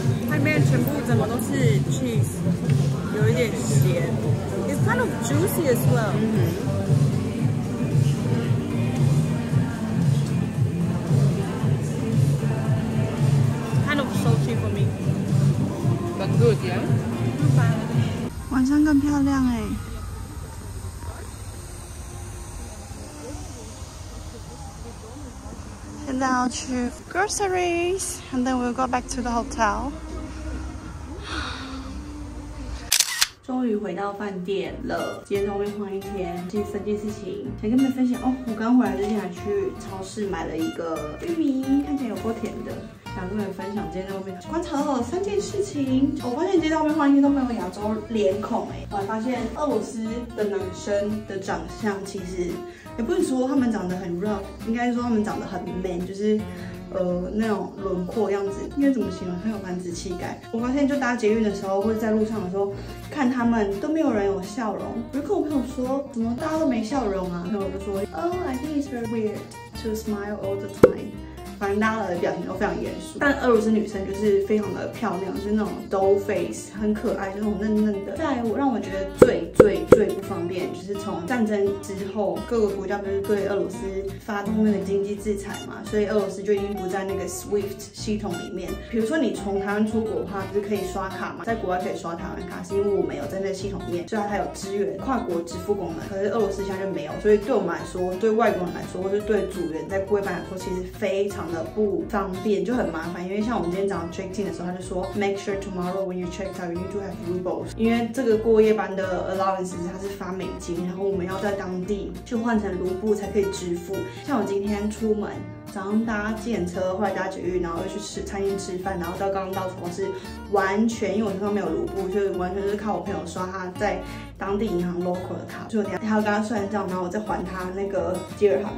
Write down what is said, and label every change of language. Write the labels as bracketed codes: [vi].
[zh] 外面全部怎么都是 cheese, 有一点咸。 [en] It's kind of juicy as well.、Kind of salty for me. But good, yeah? Not bad. [zh] 晚上更漂亮耶。 [en] Now to groceries and then we'll go back to the hotel. [zh] 终于回到饭店了，今天在外面晃一天，第三件事情想跟你们分享哦，我刚回来之前还去超市买了一个玉米，看起来有够甜的。想跟你们分享今天在外面观察了三件事情。我发现今天在外面晃一天都没有亚洲脸孔哎，我还发现俄罗斯的男生的长相其实。也不是说他们长得很 rough， 应该说他们长得很 man， 就是那种轮廓样子，应该怎么形容？很有男子气概。我发现就搭捷运的时候，或者在路上的时候，看他们都没有人有笑容。我就跟我朋友说，怎么大家都没笑容啊？朋友就说 [en] ，Oh, I think it's very weird to smile all the time。 [zh] 反正大家的表情都非常严肃。但俄罗斯女生就是非常的漂亮，就是那种 doll face， 很可爱，就那种嫩嫩的。再来，我让我觉得最不方便，就是从战争之后，各个国家不是对俄罗斯发动那个经济制裁嘛，所以俄罗斯就已经不在那个 SWIFT 系统里面。比如说你从台湾出国的话，不是可以刷卡嘛，在国外可以刷台湾卡，是因为我没有在那个系统里面，虽然它有支援跨国支付功能，可是俄罗斯现在就没有，所以对我们来说，对外国人来说，或是对组员在柜台来说，其实非常的不方便，就很麻烦。因为像我们今天早上 check in 的时候，他就说 [en] make sure tomorrow when you check out you need to have rubles， [zh] 因为这个过夜班的 allowance。它是发美金，然后我们要在当地去换成卢布才可以支付。像我今天出门，早上搭计程车，后来搭捷运，然后又去吃餐厅吃饭，然后到刚刚到办公室，完全因为我身上没有卢布，就完全就是靠我朋友刷他在当地银行 local 的卡，所以我还要跟他算账，然后我再还他那个吉尔航。